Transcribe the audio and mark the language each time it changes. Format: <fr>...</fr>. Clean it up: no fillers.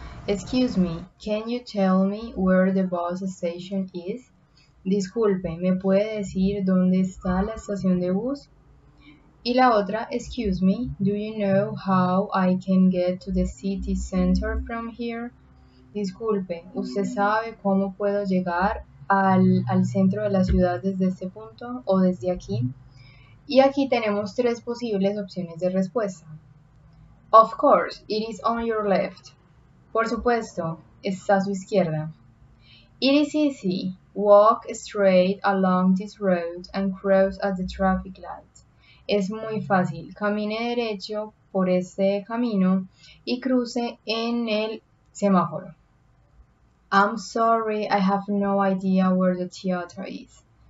<en>Excuse me, can you tell me where the bus station is?</en> <es>Disculpe, ¿me puede decir dónde está la estación de bus? Y la otra,</es> <en>excuse me, do you know how I can get to the city center from here?</en> <es>Disculpe, ¿usted sabe cómo puedo llegar al centro de la ciudad desde este punto o desde aquí? Y aquí tenemos tres posibles opciones de respuesta.</es> <en>Of course, it is on your left.</en> <es>Por supuesto, está a su izquierda.</es> <en>It is easy. Walk straight along this road and cross at the traffic light.</en> <es>Es muy fácil. Camine derecho por este camino y cruce en el semáforo.</es> <en>I'm sorry, I have no idea where the theater is.</en>